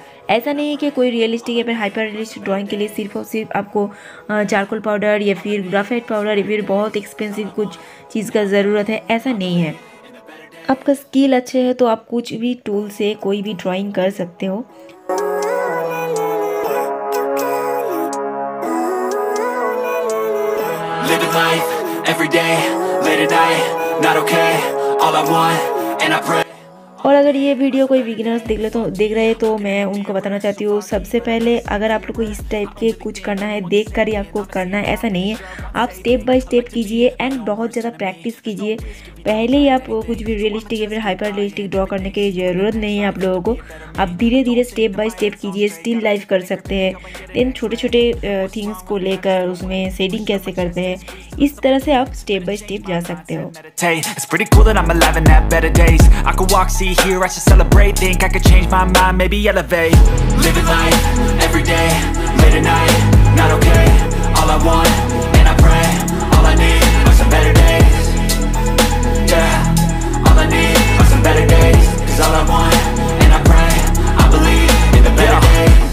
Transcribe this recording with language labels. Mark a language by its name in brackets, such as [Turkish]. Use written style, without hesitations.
[Hindi] ऐसा नहीं है कि कोई रियलिस्टिक या फिर हाइपर रियलिस्टिक ड्राइंग के लिए सिर्फ और सिर्फ आपको चारकोल पाउडर या फिर ग्राफाइट पाउडर या फिर बहुत एक्सपेंसिव कुछ चीज़ का ज़रूरत है, ऐसा नहीं है। आपका स्किल अच्छे है तो आप कुछ भी टूल से कोई भी ड्राइंग कर सकते हो। [English] Living life every day, late at night, not okay, all I want and I pray। [Hindi] और अगर ये वीडियो कोई बिगिनर्स देख रहे हैं तो मैं उनको बताना चाहती हूँ, सबसे पहले अगर आप लोग को इस टाइप के कुछ करना है देख कर ही आपको करना है, ऐसा नहीं है। आप स्टेप बाय स्टेप कीजिए एंड बहुत ज़्यादा प्रैक्टिस कीजिए। पहले ही आप कुछ भी रियलिस्टिक या फिर हाइपर रियलिस्टिक ड्रॉ करने की ज़रूरत नहीं है आप लोगों को। आप धीरे धीरे स्टेप बाय स्टेप कीजिए, स्टिल लाइफ कर सकते हैं, देन छोटे छोटे थिंग्स को लेकर उसमें शेडिंग कैसे करते हैं, इस तरह से आप स्टेप बाय स्टेप जा सकते हो। [English] Here I should celebrate, think I could change my mind, maybe elevate. Living life, every day, late at night, not okay. All I want, and I pray, all I need are some better days. Yeah, all I need are some better days. Cause all I want, and I pray, I believe in the better days.